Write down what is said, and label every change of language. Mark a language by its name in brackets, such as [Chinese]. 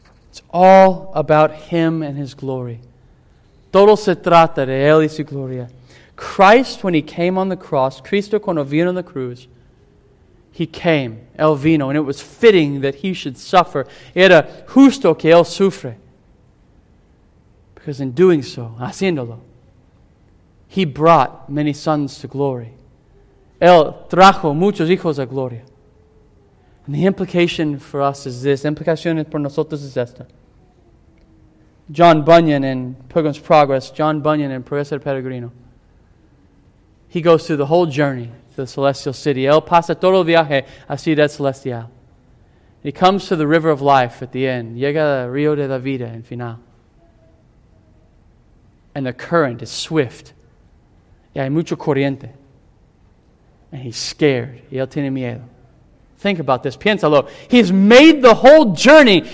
[English] It's all about Him and His glory. [Spanish] Todo se trata de Él y su gloria. [English] Christ, when He came on the cross, [Spanish] Cristo cuando vino en la cruz, [English] He came, [Spanish] El vino, [English] and it was fitting that He should suffer. [Spanish] Era justo que Él sufre. [English] Because in doing so, [Spanish] haciéndolo, [English] He brought many sons to glory. [Spanish] Él trajo muchos hijos a gloria. [English] And the implication for us is this. [Spanish] Implicación por nosotros es esta. [English] John Bunyan in Pilgrim's Progress, John Bunyan in Progreso del Peregrino, he goes through the whole journey to the celestial city. [Spanish] Él pasa todo el viaje a Ciudad Celestial. [English] He comes to the river of life at the end. [Spanish] Llega al río de la vida en final. [English] And the current is swift. [Spanish] Y hay mucho corriente. [English] And he's scared. [Spanish] Y él tiene miedo. [English] Think about this. [Spanish] Piénsalo. [English] He's made the whole journey.